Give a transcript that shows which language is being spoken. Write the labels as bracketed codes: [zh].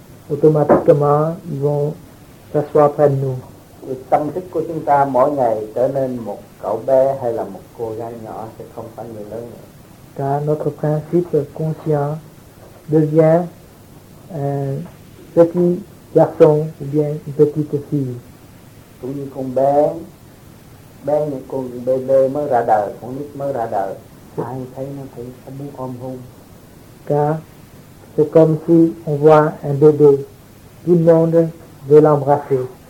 [fr] Automatiquement, ils vont s'asseoir près de nous. [vi] Le tâm thức của chúng ta mỗi ngày trở nên một cậu bé hay là một cô gái nhỏ, sẽ không phải người lớn nữa. [fr] Car notre principe conscient devient un petit garçon ou bien une petite fille. [vi] Cũng như con bé, bé như con bébé mới ra đời, con nít mới ra đời, ai thấy nó cũng không muốn ôm hôn. [fr] Car c'est comme si on voit un bébé, tout le monde veut l'embrasser.